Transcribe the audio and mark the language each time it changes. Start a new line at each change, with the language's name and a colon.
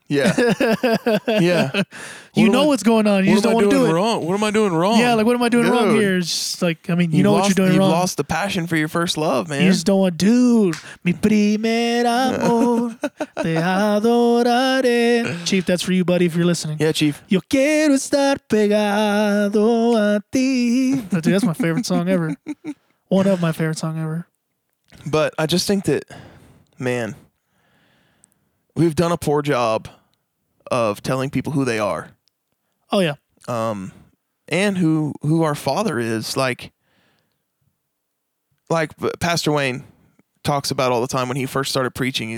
English: Yeah. Yeah. What's going on. You just don't want to do it. Wrong? What am I doing wrong? Yeah. Like, what am I doing wrong here? It's just like, I mean, you know what you're doing wrong. You've lost the passion for your first love, man. You just don't want, dude,
Spanish: mi primer amor, te adoraré.
English: Chief, that's for you, buddy, if you're listening. Yeah, Chief.
Spanish: Yo quiero estar pegado a ti.
English: Dude, that's my favorite song ever. One of my favorite songs ever. But I just think that, man, we've done a poor job of telling people who they are. Oh yeah. And who our father is, like Pastor Wayne talks about all the time when he first started preaching.